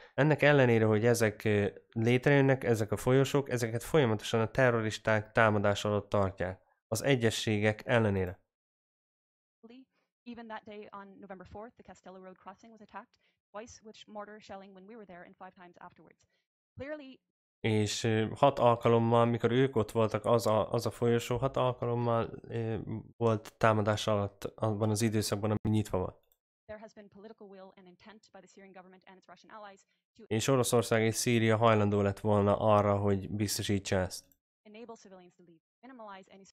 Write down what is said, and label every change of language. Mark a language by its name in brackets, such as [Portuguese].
[Hungarian] Ennek ellenére, hogy ezek létrejönnek, ezek a folyosók, ezeket folyamatosan a terroristák támadás alatt tartják, az egyességek ellenére. [English] Even that day on November 4th, the Castello Road crossing was attacked twice with mortar shelling when we were there and 5 times afterwards. Clearly, [Hungarian] És hat alkalommal, mikor ők ott voltak, az a folyosó hat alkalommal volt támadás alatt abban az időszakban, ami nyitva volt. [English] There has been political will and intent by the Syrian government and its Russian allies to [Hungarian] és Oroszország és Szíria hajlandó lett volna arra, hogy biztosítsa ezt. [English] Enable civilians to leave, minimize any